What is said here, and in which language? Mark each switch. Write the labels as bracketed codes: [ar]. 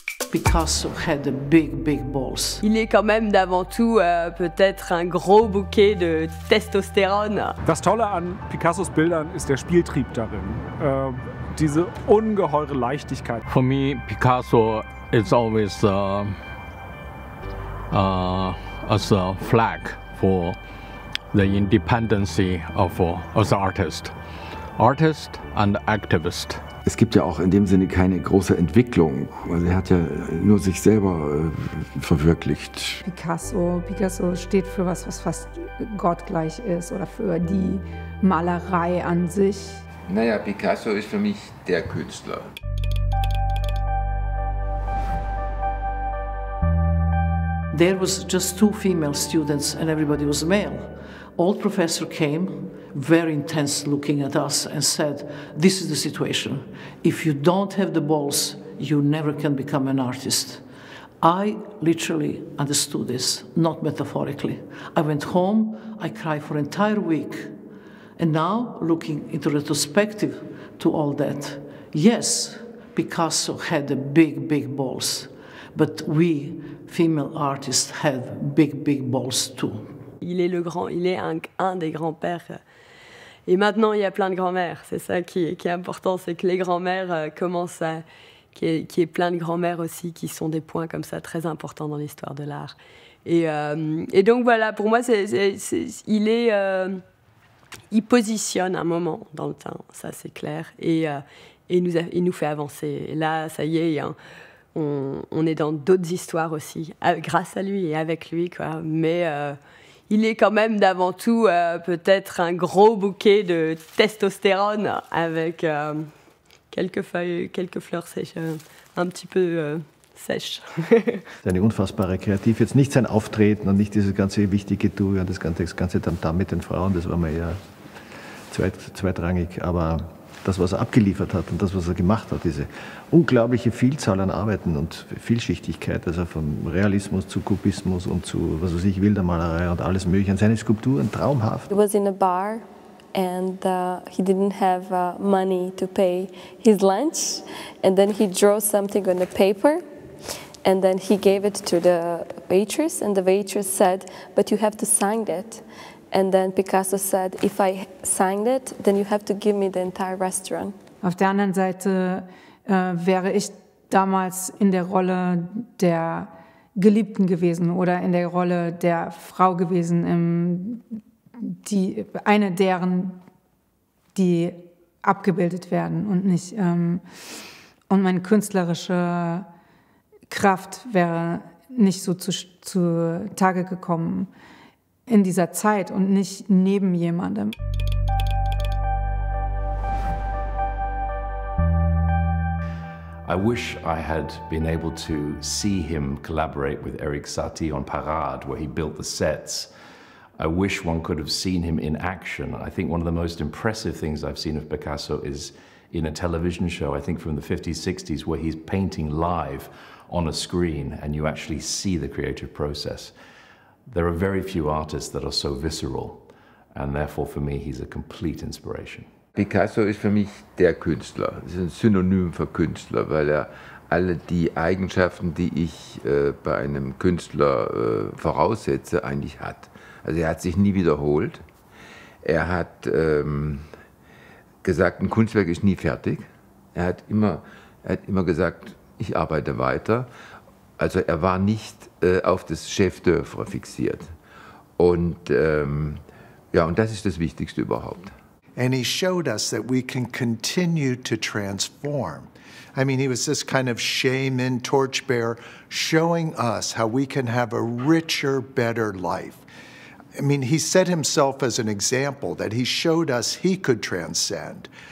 [en] Picasso had the big balls. [fr] Il est quand même d'avant tout peut-être un gros bouquet de testostérone. [de] Das Tolle an Picassos Bildern ist der Spieltrieb darin. Diese ungeheure Leichtigkeit. [en] For me, Picasso is always as a flag for the independency of as an artist. Artist and activist. [de] Es gibt ja auch in dem Sinne keine große Entwicklung. Also er hat ja nur sich selber verwirklicht. Picasso steht für was, was fast gottgleich ist oder für die Malerei an sich. Naja, Picasso ist für mich der Künstler. [en] There was just two female students and everybody was male. Old professor came, very intense looking at us and said, this is the situation. If you don't have the balls, you never can become an artist. I literally understood this, not metaphorically. I went home, I cried for an entire week. And now, looking into retrospective to all that, yes, Picasso had the big balls, but we female artists have big balls too. [fr] Il est le grand, il est un des grands-pères. Et maintenant, il y a plein de grands-mères. C'est ça qui est important, c'est que les grands-mères commencent à... Qu'il y ait plein de grands-mères aussi qui sont des points comme ça très importants dans l'histoire de l'art. Et donc voilà, pour moi, il positionne un moment dans le temps, ça c'est clair, et nous fait avancer. Et là, ça y est, hein, on est dans d'autres histoires aussi, grâce à lui et avec lui, quoi. Mais... il est quand même d'avant tout peut-être un gros bouquet de testostérone avec quelques feuilles, quelques fleurs sèches, un petit peu sèches. [de] Seine unfassbare Kreativ, jetzt nicht sein Auftreten und nicht dieses ganze wichtige Du, das ganze Tamtam mit den Frauen, das war mir ja zweitrangig, aber das, was er abgeliefert hat und das, was er gemacht hat, diese unglaubliche Vielzahl an Arbeiten und Vielschichtigkeit, also vom Realismus zu Kubismus und zu, was weiß ich, Wildermalerei und alles mögliche, und seine Skulpturen, traumhaft. [en] He was in a bar and he didn't have money to pay his lunch and then he drew something on the paper and then he gave it to the waitress and the waitress said, but you have to sign it. And then Picasso said, if I signed it, then you have to give me the entire restaurant. [de] Auf der anderen Seite wäre ich damals in der Rolle der Geliebten gewesen oder in der Rolle der Frau gewesen, die abgebildet werden und nicht, und meine künstlerische Kraft wäre nicht so zu Tage gekommen. In dieser Zeit und nicht neben jemandem. [en] I wish I had been able to see him collaborate with Erik Satie on Parade, where he built the sets. I wish one could have seen him in action. I think one of the most impressive things I've seen of Picasso is in a television show, I think from the 50s, 60s, where he's painting live on a screen and you actually see the creative process. There are very few artists that are so visceral, and therefore for me he's a complete inspiration. [de] Picasso ist für mich der Künstler. Es ist ein Synonym für Künstler, weil er alle die Eigenschaften, die ich bei einem Künstler voraussetze, eigentlich hat. Also er hat sich nie wiederholt. Er hat gesagt, ein Kunstwerk ist nie fertig. Er hat immer gesagt, ich arbeite weiter. Also er war nicht auf das Chef d'œuvre fixiert. Und ja, und das ist das Wichtigste überhaupt. [en] And he showed us that we can continue to transform. I mean, he was this kind of shaman, torchbearer, showing us how we can have a richer, better life. I mean, he set himself as an example that he showed us he could transcend.